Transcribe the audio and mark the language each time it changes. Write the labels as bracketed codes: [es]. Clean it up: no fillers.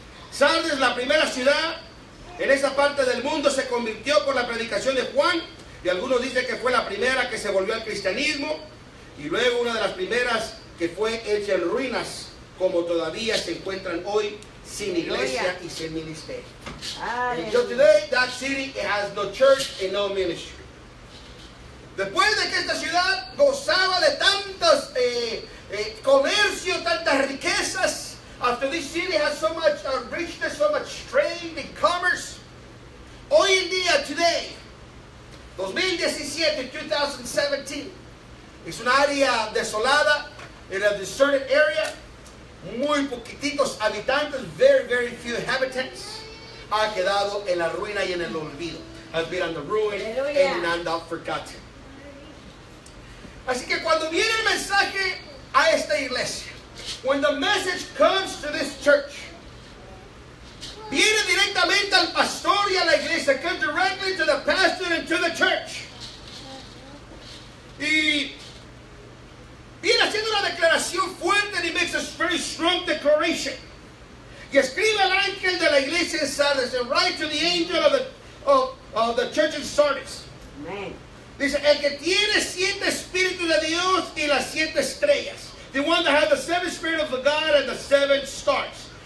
[es] Sardes, la primera ciudad en esa parte del mundo, se convirtió por la predicación de Juan, y algunos dicen que fue la primera que se volvió al cristianismo, y luego una de las primeras que fue hecha en ruinas, como todavía se encuentran hoy sin iglesia y sin ministerio. [en] Until today, that city, it has no church and no ministry. [es] Después de que esta ciudad gozaba de tantos comercio, tantas riquezas, [en] after this city has so much richness, so much trade and commerce, [es] hoy en día, [en] today, [es] 2017, 2017, es un área desolada, [en] in a deserted area, [es] muy poquititos habitantes, [en] very, very few inhabitants, [es] ha quedado en la ruina y en el olvido. [en] Has been on the ruin and on the forgotten. [es] Así que cuando viene el mensaje a esta iglesia, [en] when the message comes to this church, [es] viene directamente al pastor y a la iglesia, [en] comes directly to the pastor and to the church. [es] Y viene haciendo una declaración fuerte, [en] and he makes a very strong declaration. [es] Y escribe al ángel de la iglesia en Sardis, [en] and write to the angel of the church in Sardis. [es] Dice, el que tiene siete espíritus de Dios y las siete estrellas. [en] The one that has the seven spirits of God and the seven stars.